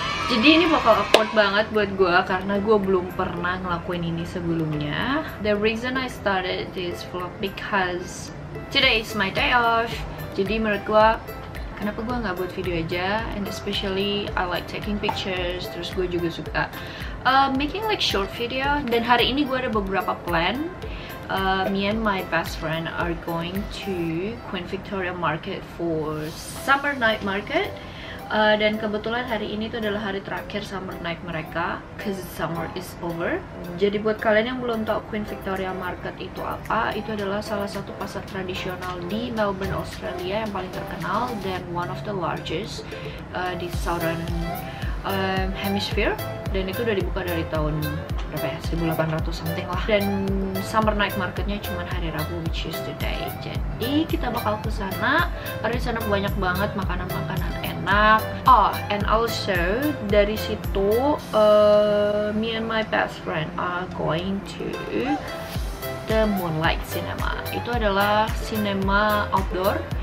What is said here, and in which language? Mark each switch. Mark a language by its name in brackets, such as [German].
[Indonesian] Jadi ini bakal awkward banget buat gue karena gue belum pernah ngelakuin ini sebelumnya. [English] The reason I started this vlog because today is my day off. [Indonesian] Jadi menurut gue, kenapa gue nggak buat video aja? [English] And especially I like taking pictures. [Indonesian] Terus gue juga suka [English] making like short video. [Indonesian] Dan hari ini gue ada beberapa plan. [English] Me and my best friend are going to Queen Victoria Market for summer night market. [Indonesian] Dan kebetulan hari ini tuh adalah hari terakhir summer night mereka, [English] cause summer is over. [Indonesian] Jadi buat kalian yang belum tahu Queen Victoria Market itu apa, itu adalah salah satu pasar tradisional di Melbourne, Australia yang paling terkenal dan [English] one of the largest [Indonesian] di southern hemisphere. Dan itu udah dibuka dari tahun berapa ya, 1800 something lah. Dan summer night marketnya cuma hari Rabu, [English] which is today. [Indonesian] Jadi kita bakal ke sana, karena di sana banyak banget makanan-makanan enak. [English] Oh, and also [Indonesian] dari situ [English] me and my best friend are going to the Moonlight Cinema. [Indonesian] Itu adalah cinema outdoor.